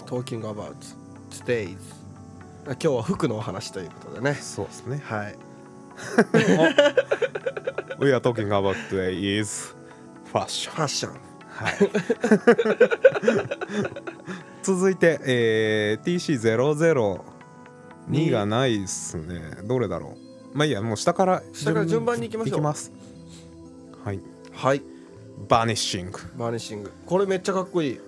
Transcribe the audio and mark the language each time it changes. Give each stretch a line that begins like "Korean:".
English: Talking About Today's、
Japanese: 今日は服のお話ということでね。そうですね、はい。
English: We are talking about today is fashion。
Japanese: ファッション、はい。続いて、TC002がないっすね。どれだろう。まあいいや、もう下から順番に行きましょう。いきます。はいはい、バニッシング。バニッシング、これめっちゃかっこいい。